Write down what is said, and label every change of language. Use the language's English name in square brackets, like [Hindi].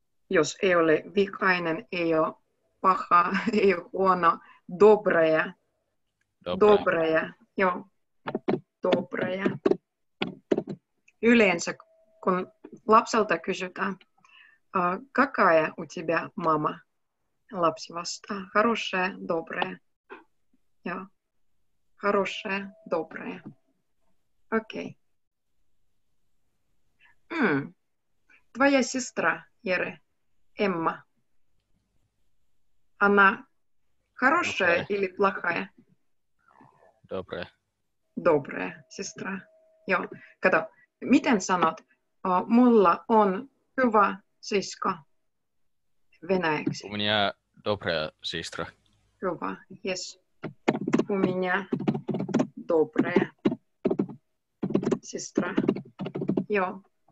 [Finnish] jos ei ole vihainen, ei ole paha, ei ole huono, dobreja. [Russian] Dobreja, [Finnish] joo. Dobreja. Yleensä, kun lapselta kysytään, [Russian] какая у тебя мама? [Finnish] Lapsi vastaa, [Russian] хорошая, добрая. Joo, хорошая, добрая. Okei. Okay. Твоя сестра, Jere. Emma. Она хорошая okay. Или плохая? Добрая. Добрая сестра. [Finnish] Joo, kato, miten sanot, mulla on hyvä sisko venäjäksi? [Russian] У меня добрая сестра. Hyvä, yes. У меня добрая сестра. Joo.